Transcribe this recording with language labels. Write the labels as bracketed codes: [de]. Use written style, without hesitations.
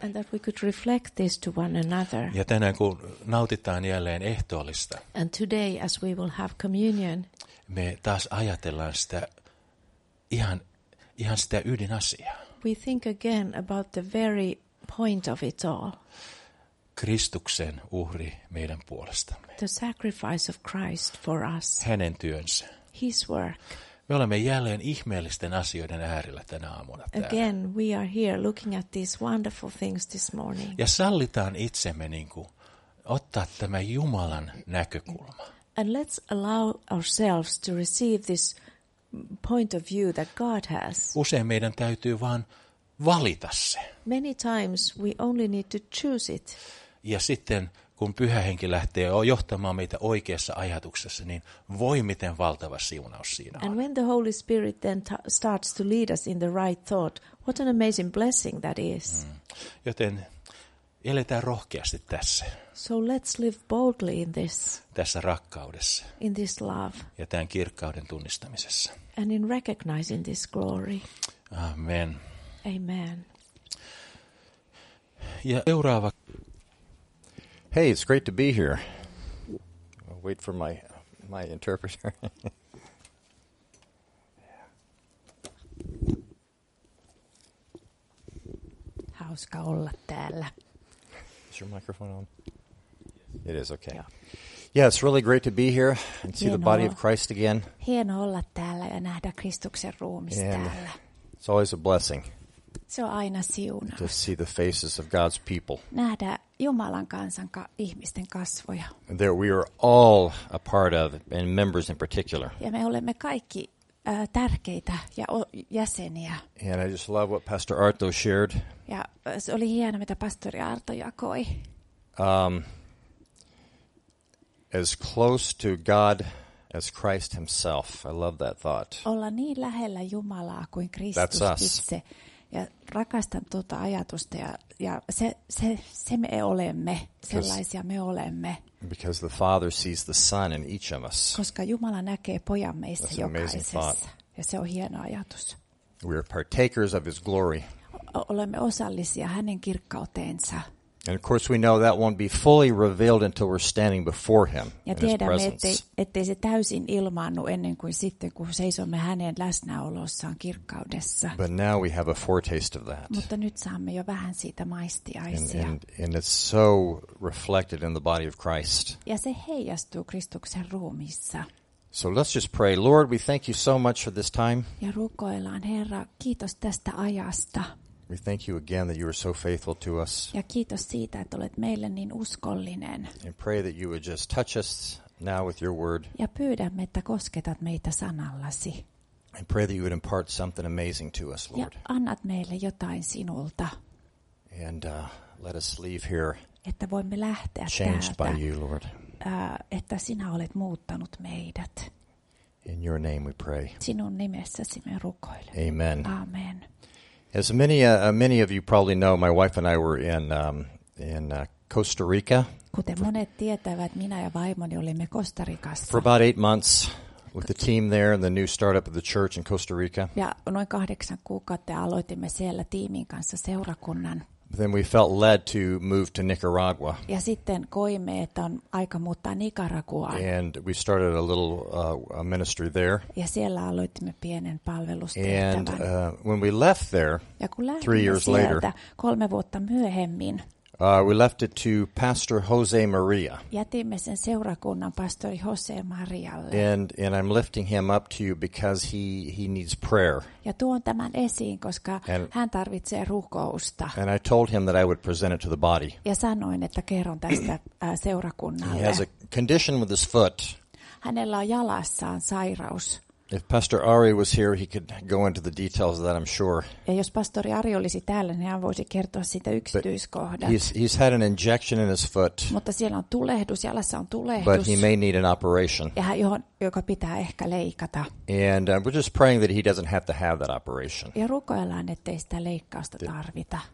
[en] And that we could reflect this to one another. [fi] Ja tänään kun nautitaan jälleen ehtoollista. [en] And today as we will have communion. [fi] Me taas ajatellaan sitä ihan sitä ydinasiaa. [en] We think again about the very point of it all. [fi] Kristuksen uhri meidän puolestamme. [en] The sacrifice of Christ for us. [fi] Hänen työnsä. [en] His work. [fi] Me olemme jälleen ihmeellisten asioiden äärellä tänä aamuna täällä. [en] Again, we are here looking at these wonderful things this morning. [fi] Ja sallitaan itsemme niin kuin ottaa tämä Jumalan näkökulma. [en] And let's allow ourselves to receive this point of view that God has. [fi] Usein meidän täytyy vaan valita se. [en] Many times we only need to choose it. [fi] Ja sitten kun Pyhä Henki lähtee johtamaan meitä oikeassa ajatuksessa, niin voi miten valtava siunaus siinä on. [en] And when the Holy Spirit then starts to lead us in the right thought, what an amazing blessing that is. [fi] Joten eletään rohkeasti tässä. [en] So let's live boldly in this. [fi] Tässä rakkaudessa. [en] In this love. [fi] Ja tämän kirkkauden tunnistamisessa. [en] And in recognizing this glory. [fi] Amen. [en] Amen. [fi] Ja seuraava. [en] Hey, it's great to be here. I'll wait for my interpreter. [fi] Hauska olla täällä. [en] Is your microphone on? It is, okay. Yeah, it's really great to be here and see the body of Christ again. [fi] Hieno olla täällä ja nähdä Kristuksen ruumis täällä. [en] It's always a blessing. [fi] Se on aina siunaus. [en] To see the faces of God's people. [fi] Nähdä Jumalan kansan ihmisten kasvoja. [en] That we are all a part of, and members in particular. [fi] Ja me olemme kaikki tärkeitä ja jäseniä. [en] And I just love what Pastor Arto shared. [fi] Ja se oli hieno, mitä pastori Arto jakoi. [en] As close to God as Christ himself. I love that thought. [fi] Olla niin lähellä Jumalaa kuin Kristus. [en] That's us. [fi] Itse. Ja rakastan tuota ajatusta ja se me olemme, sellaisia me olemme. [en] Because the Father sees the Son in each of us. [fi] Koska Jumala näkee pojan meissä jokaisessa. Ja se on hieno ajatus. [en] We are partakers of his glory. [fi] Olemme osallisia hänen kirkkauteensa. [en] And of course we know that won't be fully revealed until we're standing before him. [fi] Ja tiedämme, ettei se täysin ilmaannu ennen kuin sitten, kun seisomme hänen läsnäolossaan kirkkaudessa. [en] But now we have a foretaste of that. [fi] Mutta nyt saamme jo vähän siitä maistiaisia. [en] And it's so reflected in the body of Christ. [fi] Ja se heijastuu Kristuksen ruumiissa. [en] So let's just pray. Lord, we thank you so much for this time. [fi] Ja rukoillaan, Herra, kiitos tästä ajasta. [en] We thank you again that you are so faithful to us. [fi] Ja kiitos siitä, että olet meille niin uskollinen. [en] And pray that you would just touch us now with your word. [fi] Ja pyydämme, että kosketat meitä sanallasi. [en] And pray that you would impart something amazing to us, Lord. [fi] Ja annat meille jotain sinulta. [en] And let us leave here. [fi] Että voimme lähteä täältä. [en] Changed by you, Lord. [fi] Että sinä olet muuttanut meidät. [en] In your name we pray. [fi] Sinun nimessäsi me rukoilemme. [en] Amen. [fi] Amen. [en] As many of you probably know, my wife and I were in Costa Rica. [fi] Kuten monet tietävät, minä ja vaimoni olimme Costa Ricassa. [en] For about 8 months with the team there and the new startup of the church in Costa Rica. [fi] Ja noin 8 kuukautta aloitimme siellä tiimin kanssa seurakunnan. [en] Then we felt led to move to Nicaragua. [fi] Ja sitten koimme, että on aika muuttaa Nicaraguaan. [en] And we started a little a ministry there. [fi] Ja siellä aloitimme pienen palvelustehtävän. [en] And when we left there, [fi] ja kun lähdimme [en] 3 years later, [fi] 3 vuotta myöhemmin, [en] We left it to Pastor Jose Maria. [fi] Jätimme sen seurakunnan pastori Jose Marialle. [en] And I'm lifting him up to you because he needs prayer. [fi] Ja tuon tämän esiin, koska hän tarvitsee rukousta. [en] And I told him that I would present it to the body. [fi] Ja sanoin, että kerron tästä seurakunnalle. [en] He has a condition with his foot. [fi] Hänellä on jalassaan sairaus. [en] If Pastor Ari was here, he could go into the details of that, I'm sure. [fi] Ja jos pastori Ari olisi täällä, niin hän voisi kertoa siitä yksityiskohdat. [en] He's had an injection in his foot. [fi] Mutta siellä on tulehdus, jalassa on tulehdus. [en] But he may need an operation. [fi] Ja joka pitää ehkä leikata. [en] And we're just praying that he doesn't have to have that operation. [fi] Ja rukoillaan, ettei sitä leikkausta tarvita.